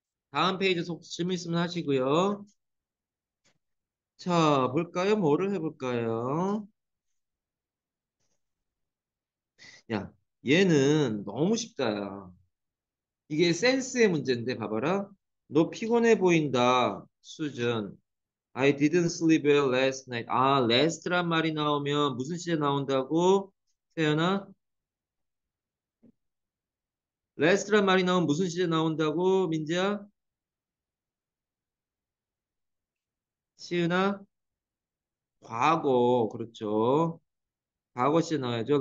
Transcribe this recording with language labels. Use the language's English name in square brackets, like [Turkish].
[Korean] 다음 페이지 질문 있으면 하시고요. 자 볼까요? 뭐를 해볼까요? 야 얘는 너무 쉽다야. 이게 센스의 문제인데 봐봐라. 너 피곤해 보인다, 수준. [English] I didn't sleep well last night. [Korean] 아, last란 말이 나오면 무슨 시제 나온다고? 태연아? last란 말이 나오면 무슨 시제 나온다고? 민지야? 시은아? 과거, 그렇죠. 과거 시제 나와야죠.